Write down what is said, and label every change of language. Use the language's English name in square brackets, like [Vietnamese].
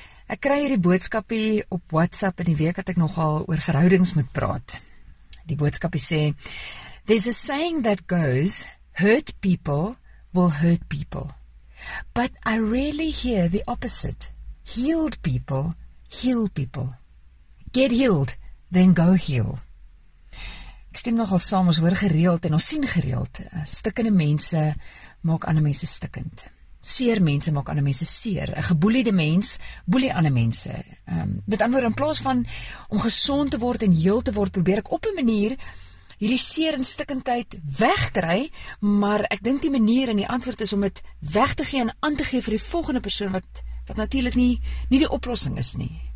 [Afrikaans] Ek kry hierdie boodskapie op WhatsApp in die week dat ek nogal oor verhoudings moet praat. Die boodskapie sê, [English] "There's a saying that goes, hurt people will hurt people. But I really hear the opposite. Healed people heal people. Get healed, then go heal." [Afrikaans] Ek stem nogal saam, ons hoor gereeld en ons sien gereeld. Stikkende mense maak ander mense stikkend. Seer mense maak ander mense seer. 'N geboeliede mens boelie ander mense. Met ander woorde, in plaas van om gesond te word en heel te word, probeer ek op 'n manier hierdie seer en stikkendheid wegkry, maar ek dink die manier en die antwoord is om dit weg te gee en aan te gee vir die volgende persoon wat natuurlik nie die oplossing is nie.